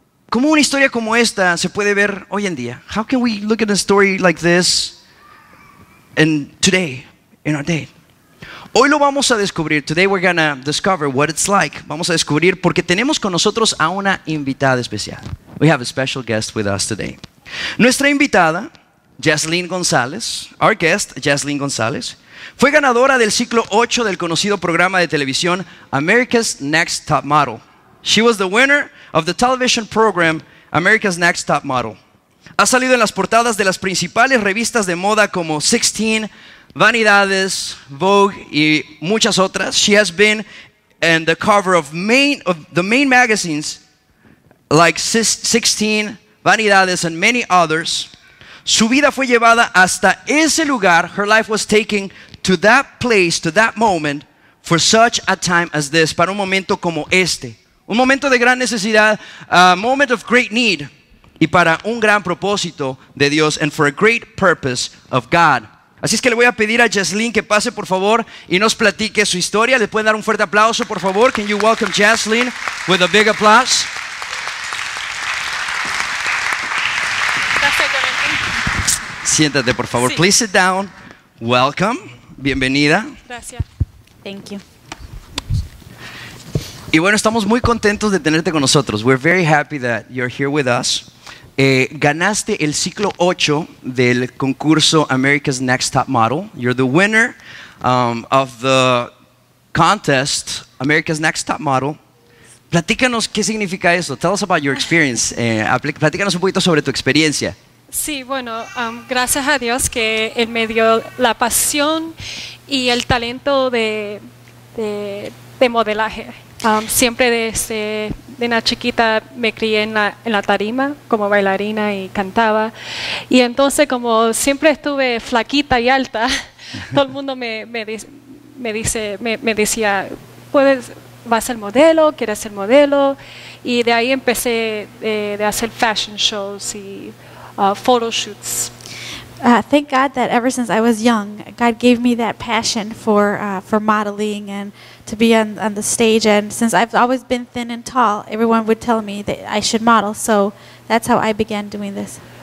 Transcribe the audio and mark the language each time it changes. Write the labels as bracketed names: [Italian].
[Spanish] ¿Cómo una historia como esta se puede ver hoy en día? [English] How can we look at a story like this in today, in our day? [Spanish] Hoy lo vamos a descubrir. [English] Today we're going to discover what it's like. [Spanish] Vamos a descubrir porque tenemos con nosotros a una invitada especial. [English] We have a special guest with us today. [Spanish] Nuestra invitada, Jaslene Gonzalez, [English] our guest, [Spanish] Jaslene Gonzalez, fue ganadora del ciclo 8 del conocido programa de televisión America's Next Top Model. [English] She was the winner of the television program America's Next Top Model. [Spanish] Ha salido en las portadas de las principales revistas de moda como 16, Vanidades, Vogue y muchas otras. [English] She has been in the cover of the main magazines like 16, Vanidades and many others. [Spanish] Su vida fue llevada hasta ese lugar. [English] Her life was taken to that place, to that moment, for such a time as this, [Spanish] para un momento como este. Un momento de gran necesidad, [English] a moment of great need, [Spanish] y para un gran propósito de Dios, [English] and for a great purpose of God. [Spanish] Así es que le voy a pedir a Jaslene que pase, por favor, y nos platique su historia. Le pueden dar un fuerte aplauso, por favor. [English] Can you welcome Jaslene with a big applause? [Spanish] Siéntate, por favor. Sí. [English] Please sit down. Welcome. [Spanish] Bienvenida. Gracias. [English] Thank you. [Spanish] Y bueno, estamos muy contentos de tenerte con nosotros. [English] We're very happy that you're here with us. [Spanish] Ganaste el ciclo 8 del concurso [English] America's Next Top Model. You're the winner of the contest, America's Next Top Model. [Spanish] Platícanos qué significa eso. [English] Tell us about your experience. [Spanish] Platícanos un poquito sobre tu experiencia. Sí, bueno, gracias a Dios que Él me dio la pasión y el talento de modelaje. Siempre desde una chiquita me crié en la tarima como bailarina y cantaba. Y entonces, como siempre estuve flaquita y alta, todo el mundo me decía, ¿vas a ser modelo? ¿Quieres ser modelo? Y de ahí empecé de hacer fashion shows y photo shoots. [English] Thank God that ever since I was young, God gave me that passion for modeling and to be on the stage. And since I've always been thin and tall, everyone would tell me that I should model. So that's how I began doing this.